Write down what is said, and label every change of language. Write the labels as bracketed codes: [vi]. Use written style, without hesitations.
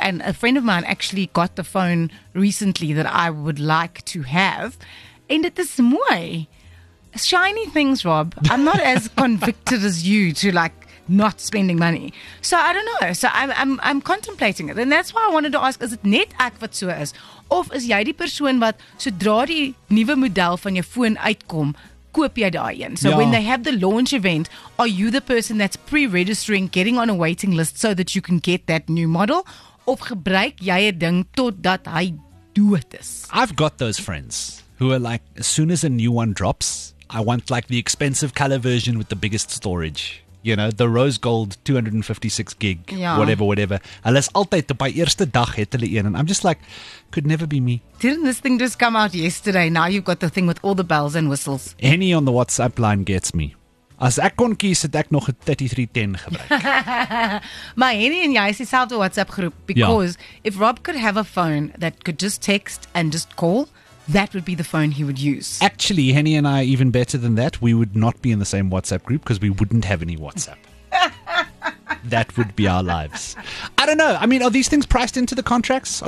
[en] And a friend of mine actually got the phone recently that I would like to have. And it is mooi. Shiny things, Rob. I'm not as convicted as you to like not spending money. So I don't know. So I'm contemplating it. And that's why I wanted to ask, is it [af] net ek wat so is? Of is jy die persoon wat sodra die nuwe model van jou foon uitkom, koop jy daai een? [en] So when they have the launch event, are you the person that's pre-registering, getting on a waiting list so that you can get that new model? [af] Of gebruik jy 'n ding totdat hy dood is? [en] I've got those friends who are like, as soon as a new one drops, I want like the expensive color version with the biggest storage. You know, the rose gold 256 gig, whatever. [af] Alles altyd op by eerste dag het hulle een. [en] And I'm just like, could never be me. Didn't this thing just come out yesterday? Now you've got the thing with all the bells and whistles. Any on the WhatsApp line gets me. [af] As ek kon kies, het ek nog 'n 3310 gebruik. My Henny and jy is dieselfde WhatsApp groep. [en] Because if Rob could have a phone that could just text and just call, that would be the phone he would use. Actually, Henny and I, even better than that, we would not be in the same WhatsApp group because we wouldn't have any WhatsApp. That would be our lives. I don't know. I mean, are these things priced into the contracts?